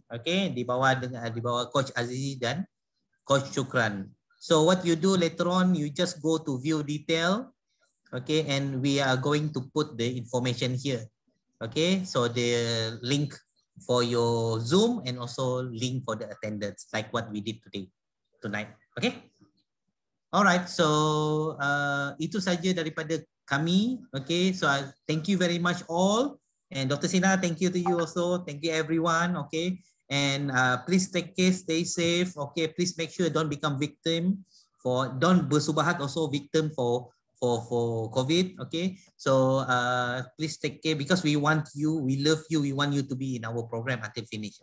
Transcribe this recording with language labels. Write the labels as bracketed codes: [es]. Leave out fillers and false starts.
[ms] Okay, di bawah Coach Azizi dan Coach Shukran. [en] So what you do later on, you just go to view detail. Okay, and we are going to put the information here. Okay, so the link for your Zoom and also link for the attendance, like what we did today. Tonight, okay. [ms] Alright, so itu saja daripada kami. [en] Okay, so thank you very much all, and Dr. Sina, thank you to you also. Thank you everyone. Okay, and please take care, stay safe. Okay, please make sure don't become victim for don't bersubahat also victim for COVID. Okay, so please take care, because we want you, we love you, we want you to be in our program until finish.